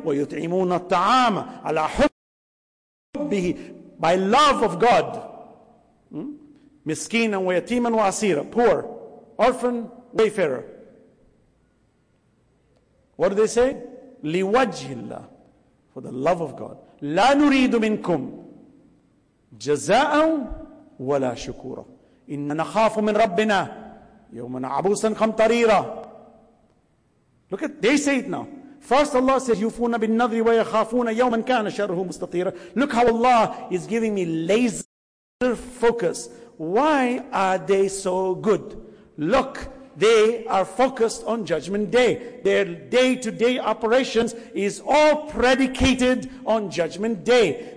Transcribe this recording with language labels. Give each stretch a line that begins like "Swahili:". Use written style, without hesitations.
Arabic: وَيُطْعِمُونَ الطَّعَامَ عَلَىٰ حُبِّهِ
English: By love of God.
Arabic: مِسْكِينًا وَيَتِيمًا وَأَسِيرًا
English: Poor, orphan, wayfarer. What do they say?
Arabic: لِوَجْهِ اللَّهِ
English: For the love of God.
Arabic: لَا نُرِيدُ مِنْكُمْ جَزَاءً وَلَا شُكُورًا إِنَّا نَخَافُ مِنْ رَبِّنَا يَوْمًا عَبُوسًا قَمْطَرِيرًا
English: Look at, they say it now. First Allah says,
Arabic: يُفُونَ بِالنَّذْرِ وَيَخَافُونَ يَوْمًا كَانَ شَرْهُ مُسْتَطِيرًا
English: Look how Allah is giving me laser focus. Why are they so good? Look, they are focused on Judgment Day. Their day-to-day operations is all predicated on Judgment Day.